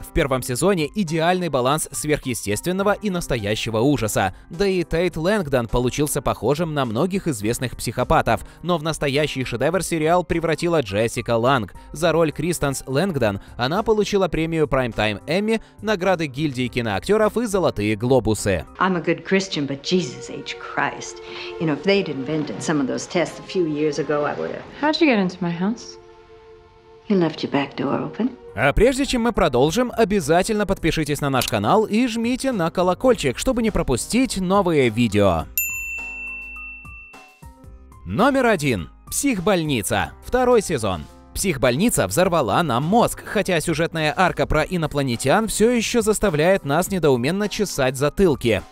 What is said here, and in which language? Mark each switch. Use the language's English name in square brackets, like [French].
[Russian] В первом сезоне идеальный баланс сверхъестественного и настоящего ужаса. Да и Тейт Лэнгдон получился похожим на многих известных психопатов. Но в настоящий шедевр сериал превратила Джессика Ланг. За роль Кристенс Лэнгдон она получила премию «Прайм-тайм Эмми», награды гильдии киноактеров и «Золотые глобусы». [English] I'm a good Christian, but Jesus H. Christ. You know, if they'd invented some of those tests a few years ago, How'd you get into my house? He left your back door open. [Russian] А прежде чем мы продолжим, обязательно подпишитесь на наш канал и жмите на колокольчик, чтобы не пропустить новые видео. Номер 1. Психбольница. Второй сезон. Психбольница взорвала нам мозг, хотя сюжетная арка про инопланетян все еще заставляет нас недоуменно чесать затылки.